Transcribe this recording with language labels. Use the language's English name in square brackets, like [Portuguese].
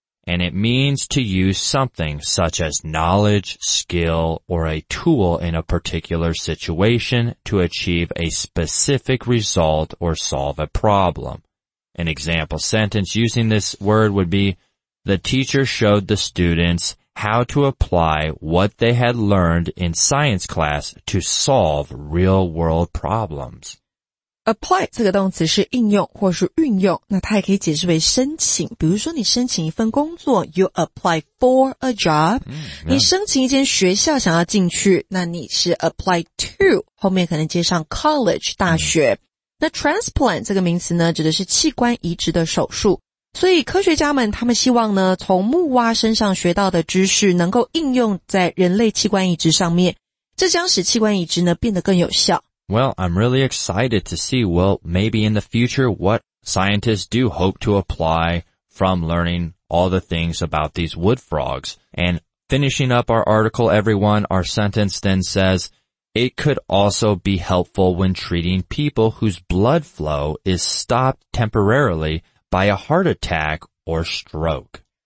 [English] And it means to use something such as knowledge, skill, or a tool in a particular situation to achieve a specific result or solve a problem. An example sentence using this word would be, the teacher showed the students how to apply what they had learned in science class to solve real-world problems. [Chinese] Apply 这个动词是应用或是运用，那它也可以解释为申请。比如说你申请一份工作 [English] ,you apply for a job.、Mm, yeah. [Chinese] 你申请一间学校想要进去，那你是 [English] apply to, [Chinese] 后面可能接上 college, 大学。Mm. 那 transplant 这个名词呢指的是器官移植的手术。所以科学家们他们希望呢，从木蛙身上学到的知识能够应用在人类器官移植上面，这将使器官移植呢变得更有效。 [English] Well, I'm really excited to see, well, maybe in the future, what scientists do hope to apply from learning all the things about these wood frogs. And finishing up our article, everyone, our sentence then says, it could also be helpful when treating people whose blood flow is stopped temporarily by a heart attack or stroke.